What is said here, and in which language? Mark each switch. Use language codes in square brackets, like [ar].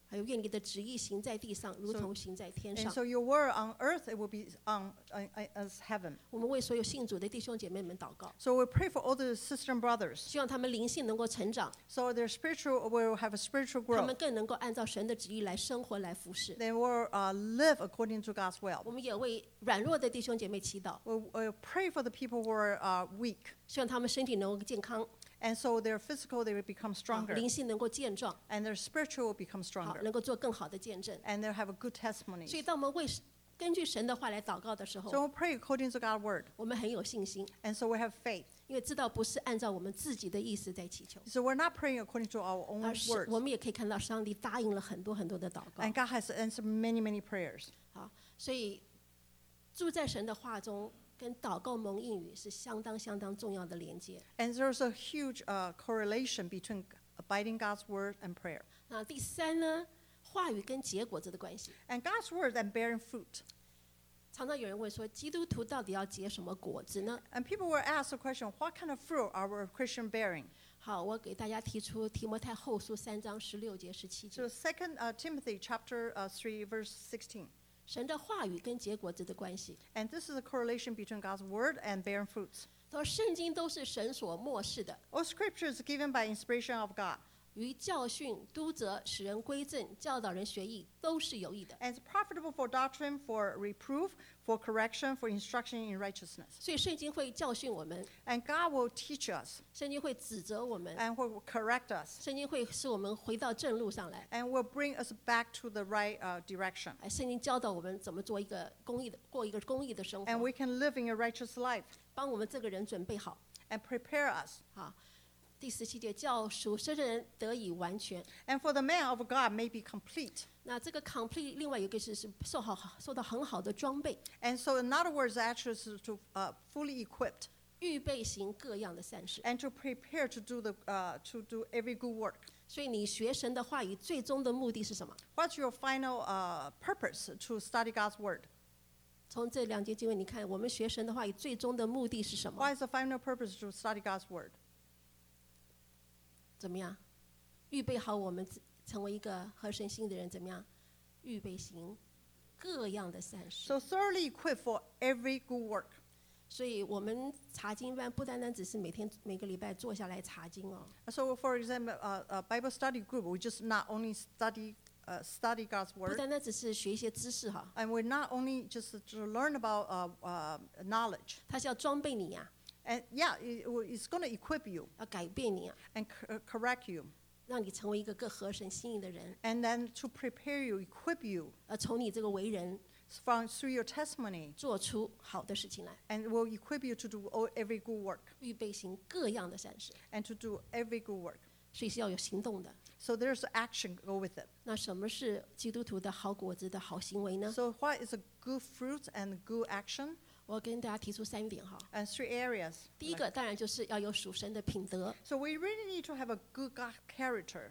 [zh] 还有愿你的旨意行在地上，如同行在天上。 [en] And so your word on earth it will be on as heaven. [zh] 我们为所有信主的弟兄姐妹们祷告。 [en] So we pray for all the sisters and brothers. [zh] 希望他们灵性能够成长。 [en] So their spiritual will have a spiritual growth. [zh] 他们更能够按照神的旨意来生活来服事。 [en] They will live according to God's will. [zh] 我们也为软弱的弟兄姐妹祈祷。 [en] Pray for the people who are weak. [zh] 希望他们身体能够健康。 [en] And so their physical, they will become stronger. [zh] 灵性能够健壮。 [en] And their spiritual will become stronger. [zh] 能够做更好的见证。 [en] And they'll have a good testimony. [zh] 所以当我们为根据神的话来祷告的时候 [en] So we'll pray according to God's word. [zh] 我们很有信心。 [en] And so we have faith. [zh] 因为知道不是按照我们自己的意思在祈求。 [en] So we're not praying according to our own words. [zh] 我们也可以看到上帝答应了很多很多的祷告。 [en] And God has answered many, many prayers. [zh] 好，所以住在神的话中跟祷告蒙应允是相当相当重要的连接。 [en] And there's a huge correlation between abiding God's word and prayer. [zh] 那第三呢，话语跟结果子的关系。 [en] And God's word and bearing fruit. [zh] 常常有人问说，基督徒到底要结什么果子呢 [en] ？And people were asked a question: What kind of fruit are our Christian bearing? [zh] 好，我给大家提出提摩太后书三章十六节十七节。 [en] So Second Timothy chapter three verse 16. [zh] 神的话语跟结果子的关系。 [en] And this is a correlation between God's word and bearing fruits. [zh] 说圣经都是神所默示的。 [en] All scripture is given by inspiration of God. [zh] 于教训、督责、使人归正、教导人学义，都是有益的。 [en] And it's profitable for doctrine, for reproof, for correction, for instruction in righteousness. [zh] 所以圣经会教训我们。 [en] And God will teach us. [zh] 圣经会指责我们。 [en] And will correct us. [zh] 圣经会使我们回到正路上来。 [en] And will bring us back to the right direction. [zh] 圣经教导我们怎么做一个公义的，过一个公义的生活。 [en] And we can live in a righteous life. [zh] 帮我们这个人准备好。 [en] And prepare us. [zh] 第十七节叫属神的人得以完全 [en] And for the man of God may be complete [zh] 那这个 complete 另外一个是受到很好的装备 [en] And so in other words actually is to fully equipped [zh] 预备行各样的善事 [en] And to prepare to do, to do every good work [zh] 所以你学神的话语最终的目的是什么 [en] What's your final purpose to study God's word? [zh] 从这两节经文你看我们学神的话语最终的目的是什么 [en] What is the final purpose to study God's word? [zh] 怎么样？预备好我们成为一个合神心的人，怎么样？预备行各样的善事。 [en] So thoroughly equipped for every good work. [zh] 所以我们查经班不单单只是每天每个礼拜坐下来查经哦。 [en] So for example, a Bible study group, we just not only study God's word. [zh] 不单单只是学一些知识哈。 [en] And we're not only just to learn about knowledge. [zh] 它是要装备你呀。 [en] And yeah, it's going to equip you. [zh] 要改变你啊。 [en] And correct you. [zh] 让你成为一个更合神心意的人。 [en] And then to prepare you, equip you. [zh] 从你这个为人。 [en] From through your testimony. [zh] 做出好的事情来。 [en] And will equip you to do all, every good work. [zh] 预备行各样的善事。 [en] And to do every good work. [zh] 所以是要有行动的。 [en] So there's action go with it. [zh] 那什么是基督徒的好果子的好行为呢？ [en] So what is a good fruit and good action? [zh] 我跟大家提出三点哈。 [en] And three areas. [zh] 第一个当然就是要有属神的品德。 [en] So we really need to have a good God character.